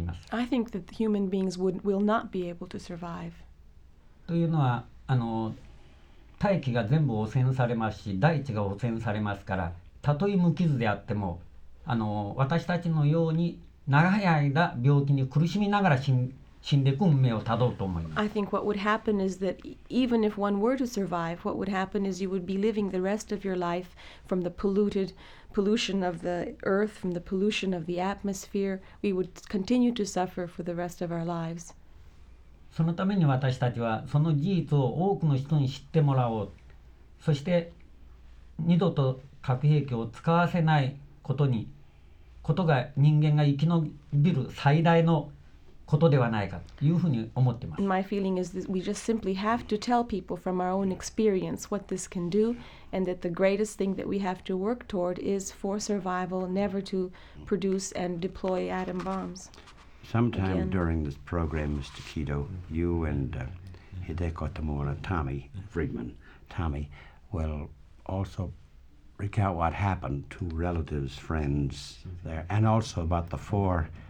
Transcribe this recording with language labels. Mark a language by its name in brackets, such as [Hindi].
[English] I think that the human beings would will not be able to survive. [Japanese] というのは、あの、大気が全部汚染されますし、大地が汚染されますから、たとえ無傷であっても、あの、私たちのように長い間病気に苦しみながら死んでいく運命をたどうと思います。 [English] I think what would happen is that even if one were to survive, what would happen is you would be living the rest of your life from the pollution of the earth, from the pollution of the atmosphere. We would continue to suffer for the rest of our lives. [Japanese] そのために私たちはその事実を多くの人に知ってもらおう。そして二度と核兵器を使わせないことに、ことが人間が生き延びる最大のことではないかというふうに思っています。 [English] My feeling is that we just simply have to tell people from our own experience what this can do, and that the greatest thing that we have to work toward is for survival, never to produce and deploy atom bombs. Sometime again. During this program, Mr. Kido, you and Hideko Tamura, Tommy Friedman, Tommy, will also recount what happened to relatives, friends there, and also about the four.